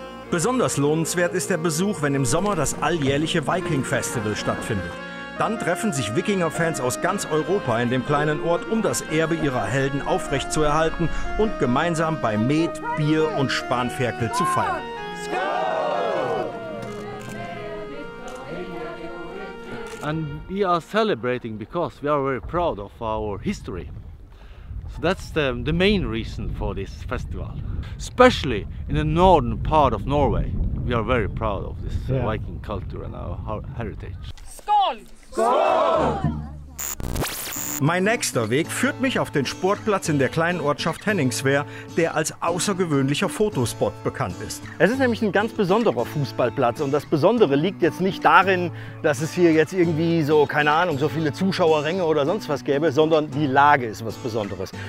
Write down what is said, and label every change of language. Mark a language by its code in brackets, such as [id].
[de] Besonders lohnenswert ist der Besuch, wenn im Sommer das alljährliche Viking-Festival stattfindet. Dann treffen sich Wikinger-Fans aus ganz Europa in dem kleinen Ort, um das Erbe ihrer Helden aufrechtzuerhalten und gemeinsam bei Met, Bier und Spanferkel zu feiern. [en] And we are celebrating because we are very proud of our history. So that's the main reason for this festival. Especially in the northern part of Norway, we are very proud of this Viking culture and our heritage. [no] Skål! Skål! [de] Mein nächster Weg führt mich auf den Sportplatz in der kleinen Ortschaft Henningswehr, der als außergewöhnlicher Fotospot bekannt ist. Es ist nämlich ein ganz besonderer Fußballplatz und das Besondere liegt jetzt nicht darin, dass es hier jetzt irgendwie so, keine Ahnung, so viele Zuschauerränge oder sonst was gäbe, sondern die Lage ist was Besonderes.